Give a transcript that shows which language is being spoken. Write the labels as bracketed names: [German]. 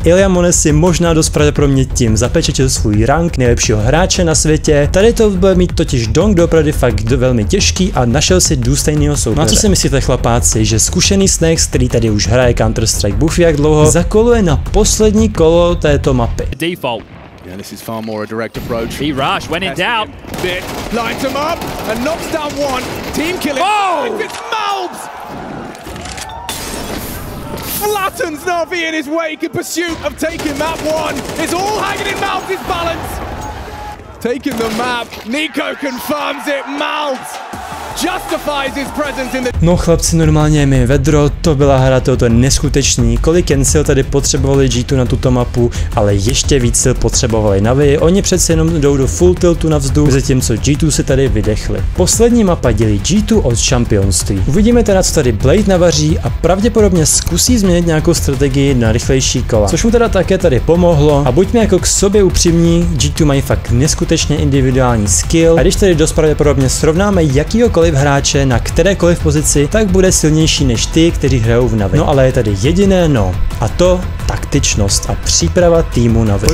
[Czech] Ilja Monesi možná dost pravděpodobně tím zapečetil svůj rank nejlepšího hráče na světě. Tady to bude mít totiž Dong doopravdy fakt velmi těžký a našel si důstojného soupeře. No a co si myslíte, chlapáci, že zkušený Snex, který tady už hraje Counter-Strike buff jak dlouho, zakoluje na poslední kolo této mapy? [English] Default. Yeah, this is far more a direct approach. He rushed when in doubt. Bit lights him up and knocks down one. Team killing. Oh! It's Malbs! Flattens Navi in his wake in pursuit of taking map one. It's all hanging in Malbs' balance. Taking the map. Nico confirms it. Malbs justifies his presence in the... [Czech] No chlapci, normálně mi vedro, to byla hra, to je neskutečný, kolik jen sil tady potřebovali G2 na tuto mapu, ale ještě víc sil potřebovali Navi, oni přece jenom jdou do full tiltu na vzduch, zatímco G2 se tady vydechli. Poslední mapa dělí G2 od šampionství. Uvidíme teda, co tady Blade navaří a pravděpodobně zkusí změnit nějakou strategii na rychlejší kola, což mu teda také tady pomohlo a buďme jako k sobě upřímní, G2 mají fakt neskutečně individuální skill a když tady dost pravděpodobně srovnáme jakýhokoliv hráče na kterékoliv pozici, tak bude silnější než ty, kteří hrajou v Navi. No ale je tady jediné no, a to taktičnost a příprava týmu Navi.